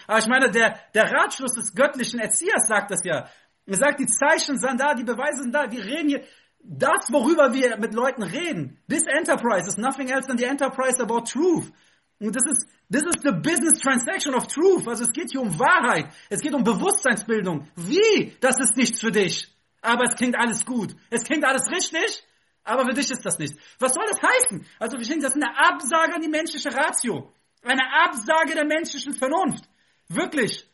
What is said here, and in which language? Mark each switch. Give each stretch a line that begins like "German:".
German: Aber ich meine, der Ratschluss des göttlichen Erziehers sagt das ja. Er sagt, die Zeichen sind da, die Beweise sind da. Wir reden hier, das, worüber wir mit Leuten reden.
English: This enterprise is nothing else than the enterprise about truth. Und this is the business transaction of truth.
German: Also es geht hier um Wahrheit. Es geht um Bewusstseinsbildung. Wie? Das ist nichts für dich. Aber es klingt alles gut. Es klingt alles richtig, aber für dich ist das nichts. Was soll das heißen? Also wir sehen, das ist eine Absage an die menschliche Ratio. Eine Absage der menschlichen Vernunft. Wirklich.